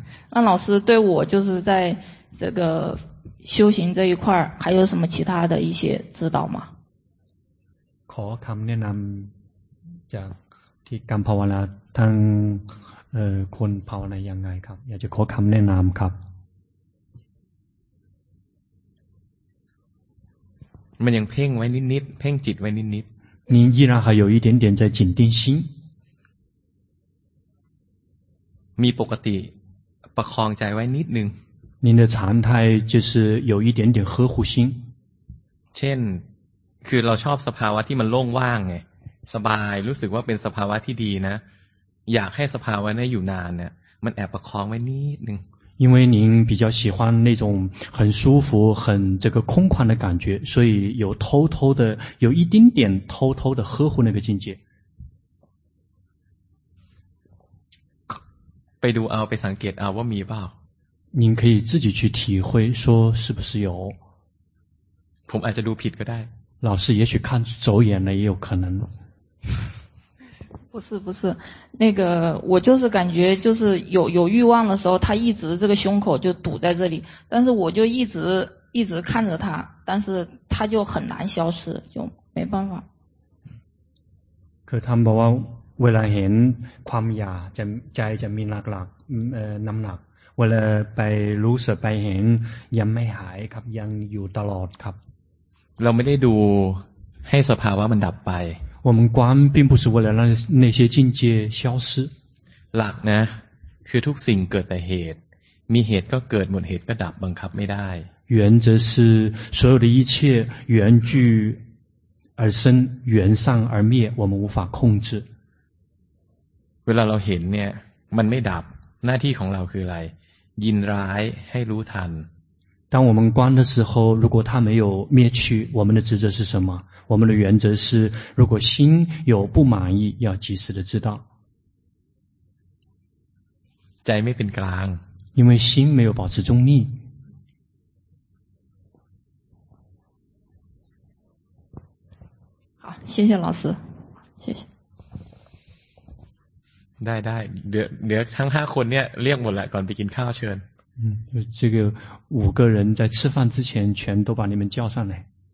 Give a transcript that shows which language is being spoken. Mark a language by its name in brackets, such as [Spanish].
[Chinese] 那老师对我就是在这个修行这一块还有什么其他的一些指导吗 [Thai] ขอคำแนะนำจากที่การภาวนาทางคนภาวนายังไงครับอยากจะขอคำแนะนำครับ มันยังเพ่งไว้นิดๆเพ่งจิตไว้นิด [Chinese] ๆ您依然还有一点点在紧盯心 [Thai] มีปกติประคองใจไว้นิดนึง [Chinese] 您的常态就是有一点点呵护心 [Thai] เช่น คือเราชอบสภาวะที่มันโล่งว่างไงสบายรู้สึกว่าเป็นสภาวะที่ดีนะอยากให้สภาวะนี้อยู่นานเนี่ยมันแอบประคองไว้นิดนึง [Chinese] 因为您比较喜欢那种很舒服很这个空旷的感觉所以有偷偷的有一丁点偷偷的呵护那个境界 [Thai] ไปดูเอาไปสังเกตเอาว่ามีเปล่า [Chinese] 您可以自己去体会说是不是有 [Thai] ผมอาจจะดูผิดก็ได้ [Chinese] 老师也许看走眼了也有可能不是不是那个我就是感觉就是有欲望的时候他一直这个胸口就堵在这里但是我就一直看着他但是他就很难消失就没办法 [Thai] คือท่านบอกว่าเวลาเห็นความอยากจะใจจะมีหนักหลักน้ำหนักเวลาไปรู้สึกไปเห็นยังไม่หายครับยังอยู่ตลอดครับ เราไม่ได้ดูให้สภาวะมันดับไป [Chinese] 我们观并不是为了让那些境界消失 [Thai] หลักนะคือทุกสิ่งเกิดแต่เหตุมีเหตุก็เกิดหมดเหตุก็ดับบังคับไม่ได้ [Chinese] 原则是所有的一切缘聚而生缘散而灭我们无法控制 [Thai] เวลาเราเห็นเนี่ยมันไม่ดับหน้าที่ของเราคืออะไรยินร้ายให้รู้ทัน [Chinese] 当我们观的时候如果它没有灭去我们的职责是什么我们的原则是如果心有不满意要及时的知道在没变成因为心没有保持中立好谢谢老师谢谢 [Thai] ได้ได้เดี๋ยวทั้ง5คนเนี่ยเรียกหมดแล้วก่อนไปกินข้าวเชิญ [Chinese] 这个五个人在吃饭之前全都把你们叫上来